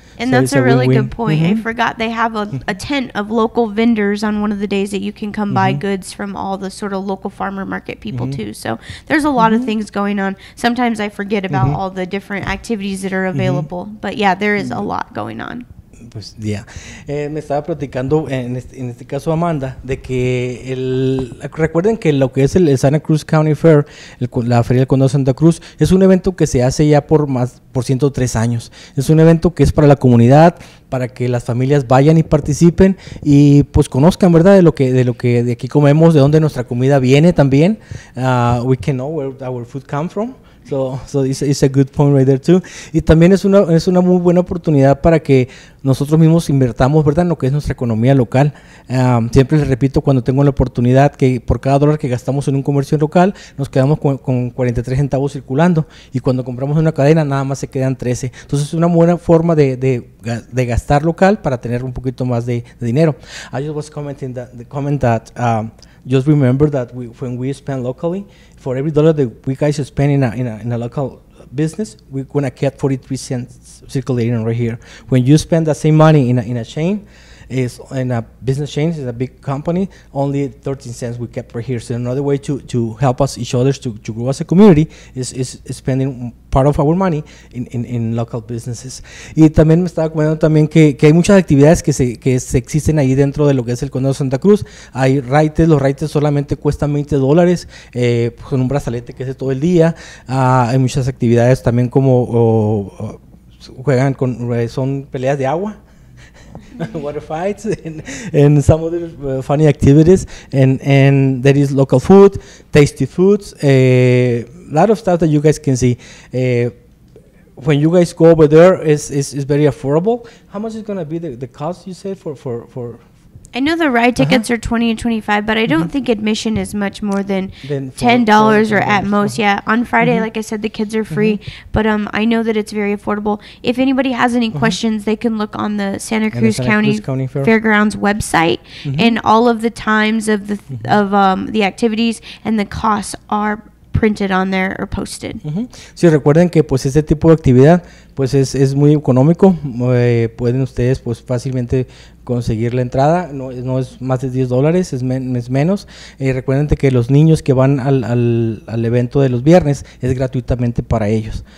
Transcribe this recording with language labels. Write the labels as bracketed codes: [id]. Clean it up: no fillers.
[en] And so that's a really win-win. Good point. Mm-hmm. I forgot they have a tent of local vendors on one of the days that you can come mm-hmm. buy goods from all the sort of local farmer market people mm-hmm. too. So there's a lot mm-hmm. of things going on. Sometimes I forget about mm-hmm. all the different activities that are available, mm-hmm. but yeah, there is mm-hmm. a lot going on. [es] Pues ya, me estaba platicando en este caso Amanda, de que recuerden que lo que es el Santa Cruz County Fair, la Feria del Condado de Santa Cruz, es un evento que se hace ya por 103 años. Es un evento que es para la comunidad, para que las familias vayan y participen y pues conozcan, ¿verdad?, de lo que de aquí comemos, de dónde nuestra comida viene también. [en] We can know where our food comes from. So it's a good point right there too. [es] Y también es una muy buena oportunidad para que nosotros mismos invertamos, ¿verdad?, en lo que es nuestra economía local. Siempre les repito, cuando tengo la oportunidad, que por cada dólar que gastamos en un comercio local, nos quedamos con 43 centavos circulando. Y cuando compramos una cadena, nada más se quedan 13. Entonces, es una buena forma de gastar local para tener un poquito más de dinero. [en] I just was commenting that, the comment that just remember that when we spend locally, for every dollar that we guys spend in a local business, we're gonna get 43 cents circulating right here. When you spend the same money in a chain, is in a business chain, is a big company, only 13 cents we kept right here. So another way to help us each other to grow as a community is spending part of our money in local businesses. [es] Y también me estaba comentando también que hay muchas actividades que existen ahí dentro de lo que es el Condado de Santa Cruz. Hay raites, los raites solamente cuestan $20, pues con un brazalete que hace todo el día. Hay muchas actividades también como juegan con, son peleas de agua. [en] Water fights and some other funny activities, and there is local food, tasty foods, a lot of stuff that you guys can see. When you guys go over there, it's very affordable. How much is going to be the cost, you said, for I know the ride tickets uh-huh. are $20 to $25, but I don't mm-hmm. think admission is much more than $10 or at most. Yeah, on Friday, mm-hmm. like I said, the kids are free, mm-hmm. but I know that it's very affordable. If anybody has any mm-hmm. questions, they can look on the Santa Cruz County Fairgrounds website, mm-hmm. and all of the times of the mm-hmm. of the activities and the costs are printed on there or posted. Mm-hmm. [es] Sí, recuerden que pues este tipo de actividad pues es muy económico. Pueden ustedes pues fácilmente conseguir la entrada, no es más de $10, es menos. Recuerden que los niños que van al evento de los viernes es gratuitamente para ellos.